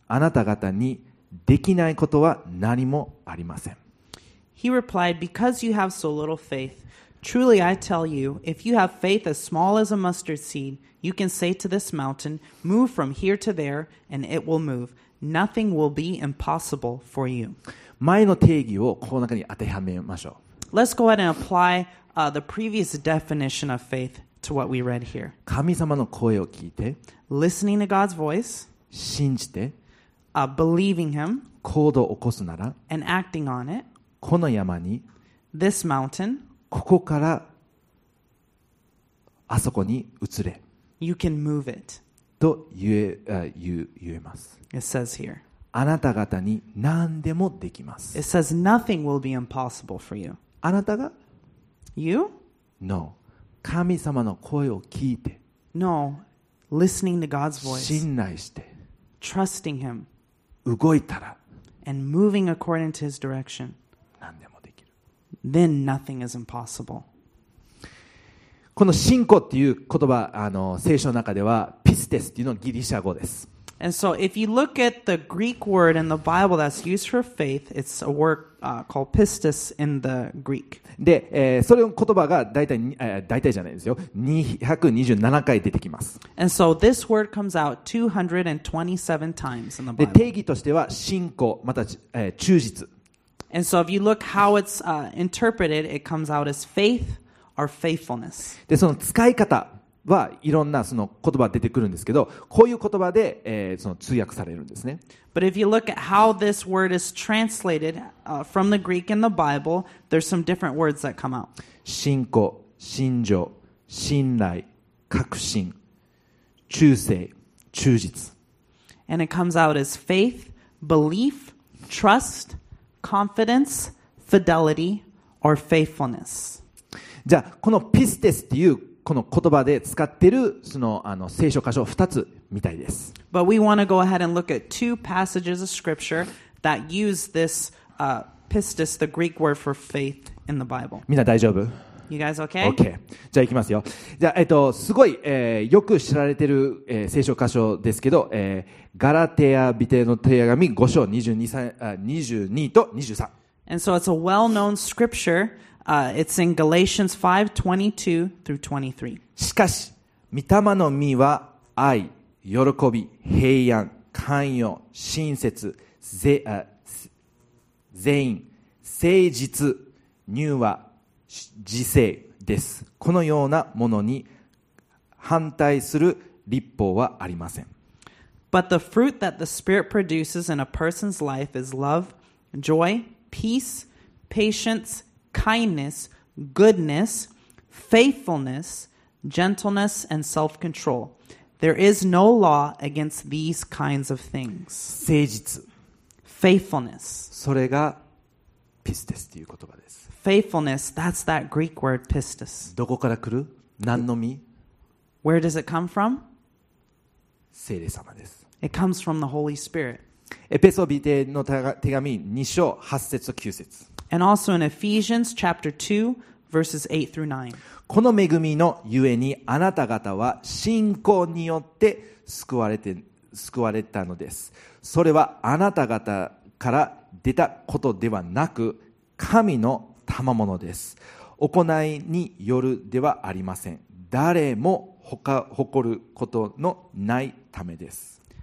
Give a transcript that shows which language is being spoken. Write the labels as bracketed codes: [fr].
[ja] あなた方にできないことは何もありません。 [en] He replied, because you have so little faith, truly I tell you, if you have faith as small as a mustard seed, you can say to this mountain, move from here to there, and it will move. Nothing will be impossible for you. [ja] 前の定義をこの中に当てはめましょう。 [en] Let's go ahead and apply, the previous definition of faith to what we read here. [ja] 神様の声を聞いて、 [en] listening to God's voice, [ja] 信じて、 [en] believing him, [ja] 行動を起こすなら、 [en] and acting on it, [ja] この山に、 [en] this mountain, [ja] ここからあそこに移れ、 [en] you can move it, [ja] と言えます。 [en] It says here, [ja] あなた方に何でもできます。 [en] It says nothing will be impossible for you. [ja] あなたが、 [en] you? [ja] No. 神様の声を聞いて、 [en] no. listening to God's voice. [ja] 信頼して、 [en] trusting him. [ja] 動いたら、 [en] and moving according to his direction. Then nothing is impossible. [ja] この信仰っていう言葉、聖書の中ではピステスっていうのギリシャ語です。 [en] And so if you look at the Greek word in the Bible that's used for faith, it's a word, called pistis in the Greek. [ja] で、それの言葉が大体じゃないですよ。 227回出てきます。 [en] And so this word comes out 227 times in the Bible. [ja] で、定義としては信仰、また、忠実。 [en] And so if you look how it's, interpreted, it comes out as faith or faithfulness. [ja] で、その使い方はいろんなその言葉出てくるんですけど、こういう言葉で、その通訳されるんですね。 [en] But if you look at how this word is translated, from the Greek in the Bible, there's some different words that come out. [ja] 信仰、信条、信頼、確信、忠誠、忠実。 [en] And it comes out as faith, belief, trust,confidence, fidelity, or faithfulness. [ja] じゃあこのピステスっていうこの言葉で使ってるその、聖書箇所を2つ見たいです。 [en] But we want to go ahead and look at two passages of scripture that use this, pistis, the Greek word for faith in the Bible. [ja] みんな大丈夫？ [en] You guys okay? [ja] Okay. じゃあ行きますよ。じゃあ、すごい、よく知られてる、聖書箇所ですけど、ガラテヤ人への手紙5章 22と23。 [en] And so it's a well-known scripture. It's in Galatians 5:22-23. [ja] しかし、御霊の実は愛、喜び、平安、寛容、親切、善意、誠実、柔和、自制です。このようなものに反対する律法はありません。 [en] But the fruit that the Spirit produces in a person's life is love, joy, peace, patience, kindness, goodness, faithfulness, gentleness, and self-control. There is no law against these kinds of things. [ja] 誠実。 [en] Faithfulness. [ja] それがピステスという言葉です。 [en] Faithfulness, that's that Greek word pistis. [ja] どこから来る？何の実？ [en] Where does it come from? [ja] 聖霊様です。 [en] It comes from the Holy Spirit. [ja] エペソビテの手紙2章8節と9節。 [en] And also in Ephesians chapter 2 verses 8 through 9. [ja] この恵みのゆえにあなた方は信仰によって救われたのです。それはあなた方から出たことではなく神の賜物です。行いによるではありません。誰も誇ることのないためです。